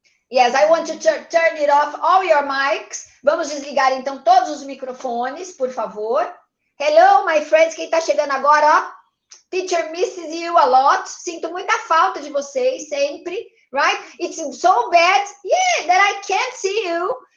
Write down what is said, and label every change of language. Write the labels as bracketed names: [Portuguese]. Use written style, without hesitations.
[English] Yes, I want to turn it off all your mics. [Portuguese] Vamos desligar, então, todos os microfones, por favor. [English] Hello, my friends, [Portuguese] quem está chegando agora, ó. [English] Teacher misses you a lot. [Portuguese] Sinto muita falta de vocês, sempre, [English] right? It's so bad, yeah, that I can't see you.